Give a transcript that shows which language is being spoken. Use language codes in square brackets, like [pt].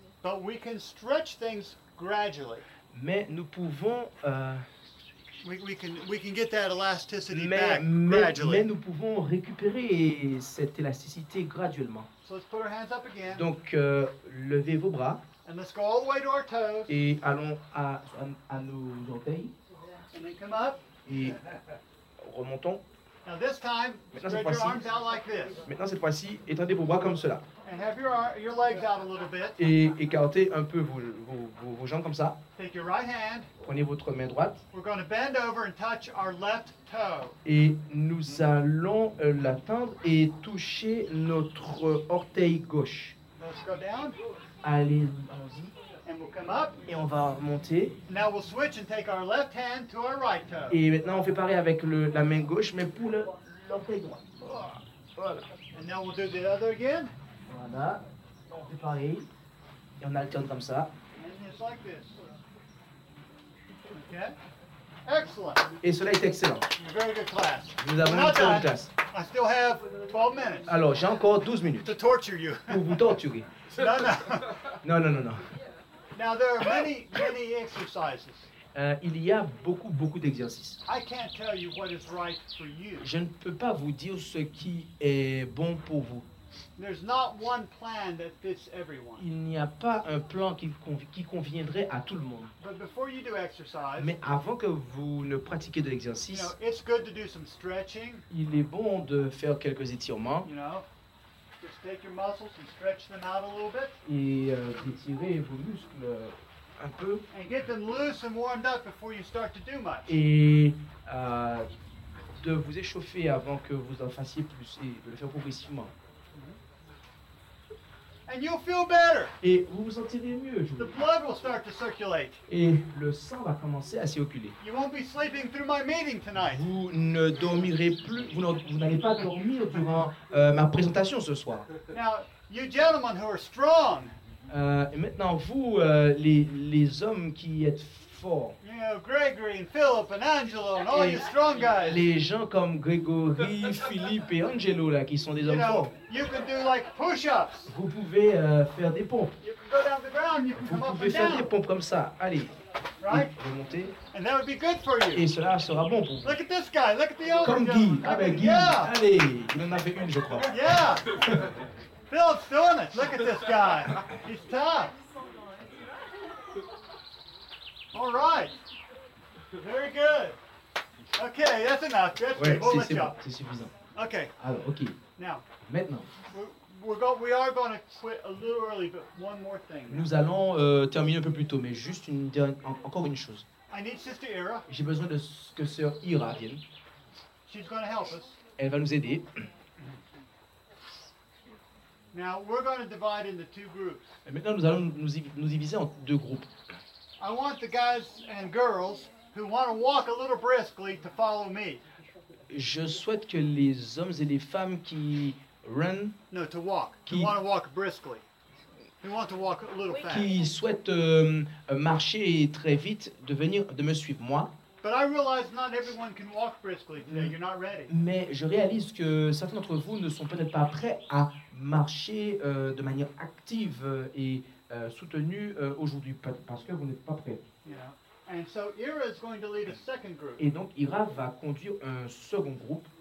[en] But we can stretch things gradually. [fr] Mais nous pouvons [en] we can get that elasticity back gradually. [fr] Mais nous pouvons récupérer cette élasticité graduellement. [en] So let's put our hands up again. [fr] Donc levez vos bras. [en] And let's go all the way to our toes. [fr] Et allons à nos orteils. [en] And then come up. [fr] Et remontons. [en] Now this time, [fr] maintenant, [en] spread your arms out like this. [fr] Maintenant cette fois-ci, étendez vos bras comme cela. [en] And have your legs out a little bit. [fr] Et écartez un peu vos jambes comme ça. [en] Take your right hand. [fr] Prenez votre main droite. [en] We're going to bend over and touch our left toe. [fr] Et nous allons la tendre et toucher notre orteil gauche. [en] Let's go down. [fr] Allez, allons-y. [en] And we'll come up. [fr] Et on va monter. [en] Now we'll switch and take our left hand to our right toe. [fr] Et maintenant on fait pareil avec la main gauche, mais pour l'orteil droit. Voilà. [en] And now we'll do the other again. [fr] Voilà. On fait pareil. Et on alterne comme ça. [en] And it's like this. Okay. Excellent. [fr] Et cela est excellent. [en] You're very good class. [fr] Nous avons une bonne classe. [en] I still have 12 minutes. [fr] Alors j'ai encore 12 minutes. [en] To torture you. [fr] Pour vous torturer. Non. [en] Now there are many exercises. [fr] Il y a beaucoup d'exercices. [en] I can't tell you what is right for you. [fr] Je ne peux pas vous dire ce qui est bon pour vous. [en] There's not one plan that fits everyone. [fr] Il n'y a pas un plan qui conviendrait à tout le monde. [en] But before you do exercise, [fr] mais avant que vous ne pratiquiez de l'exercice, [en] you know, it's good to do some stretching. [fr] Il est bon de faire quelques étirements. [en] You know? Just take your muscles and stretch them out a little bit. [fr] Et étirez vos muscles un peu. [en] And get them loose and warmed up before you start to do much. [fr] Et de vous échauffer avant que vous en fassiez plus et de le faire progressivement. [en] Mm-hmm. And you'll feel better. [fr] Et vous vous sentirez mieux. [en] The blood will start to circulate. [fr] Et le sang va commencer à circuler. [en] You won't be sleeping through my meeting tonight. [fr] Vous ne dormirez plus. Vous n'allez pas dormir durant ma présentation ce soir. [en] Now, you gentlemen who are strong. [fr] Et maintenant vous, les hommes qui êtes forts. [en] You know, Gregory and Philip and Angelo and all you strong guys. [fr] Les gens comme Gregory, Philippe et Angelo là, qui sont des [en] you [fr] hommes [en] know, [fr] forts. [en] You can do like push-ups. [fr] Vous pouvez faire des pompes. [en] You can go down the ground, you can [fr] vous [en] come [fr] pouvez [en] up [fr] faire [en] down. [fr] Des pompes comme ça. Allez. [en] Right? [fr] Et remontez. [en] And that would be good for you. [fr] Et cela sera bon pour vous. [en] Look at this guy. Look at the other [fr] comme [en] gentleman. [fr] Guy. Ah ben Guy. [en] Yeah. [fr] Allez, il en avait une, je crois. [en] Yeah. Philip's doing it. Look at this guy. He's tough. All right. Very good. Okay, that's enough. [fr] C'est suffisant. [en] Okay. [fr] Alors, okay. [en] Now. [fr] Maintenant. [en] We are going to quit a little early, but one more thing. [fr] Nous allons terminer un peu plus tôt, mais juste encore une chose. [en] I need Sister Ira. [fr] J'ai besoin de ce que Sœur Ira vienne. [en] She's going to help us. [fr] Elle va nous aider. [en] Now we're going to divide into two groups. [fr] Et maintenant nous allons nous diviser en deux groupes. [en] I want the guys and girls who want to walk a little briskly to follow me. [fr] Je souhaite que les hommes et les femmes qui [en] run no to walk. [fr] Qui [en] want to walk briskly. Who want to walk a little fast. [fr] Qui souhaitent marcher très vite de me suivre moi. [en] But I realize not everyone can walk briskly today. You're not ready. [fr] Mais je réalise que certains d'entre vous ne sont peut-être pas prêts à marcher de manière active et soutenue aujourd'hui parce que vous n'êtes pas prêts. [en] Yeah. And so Ira is going to lead a second group. [fr] Et donc Ira va conduire un second groupe.